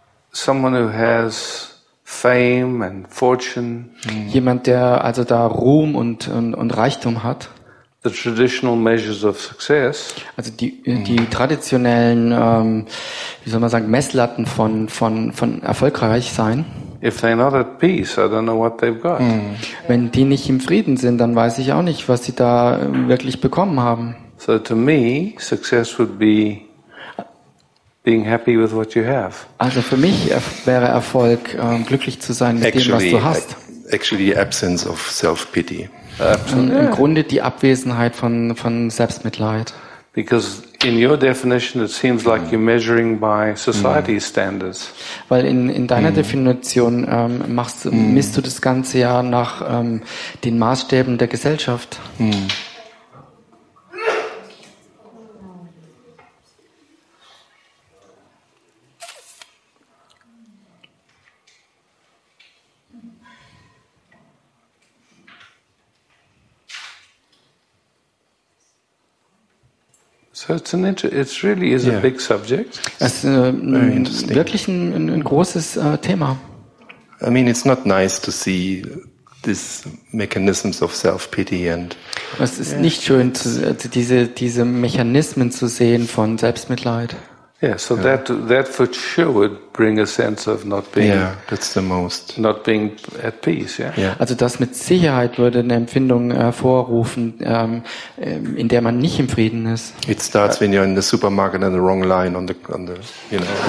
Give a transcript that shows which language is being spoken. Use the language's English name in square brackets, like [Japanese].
[English] someone who has fame and fortune, [German] jemand, der also da Ruhm und Reichtum hat. [English] The traditional measures of success. [German] Also die traditionellen, wie soll man sagen, Messlatten von erfolgreich sein. [English] If they're not at peace, I don't know what they've got. [German] Wenn die nicht im Frieden sind, dann weiß ich auch nicht, was sie da wirklich bekommen haben. [English] So to me, success would be being happy with what you have. [German] Also für mich wäre Erfolg glücklich zu sein mit dem, was du hast. [English] Actually, the absence of self-pity. [German] Absolutely. Im Grunde die Abwesenheit von Selbstmitleid. [English] Because in your definition it seems like you're measuring by society's standards. [German] Weil in deiner Definition misst du das Ganze ja nach den Maßstäben der Gesellschaft. [English] So it's an it really is a big subject. [German] Es ist wirklich ein großes Thema. [English] I mean, it's not nice to see these mechanisms of self-pity and. [German] Es ist nicht schön, diese Mechanismen zu sehen von Selbstmitleid. [English] Yeah, so that for sure would bring a sense of not being. Yeah, that's the most. Not being at peace. Yeah. Yeah. [German] Also das mit Sicherheit würde eine Empfindung hervorrufen, in der man nicht im Frieden ist. [English] It starts when you're in the supermarket and the wrong line on the you know.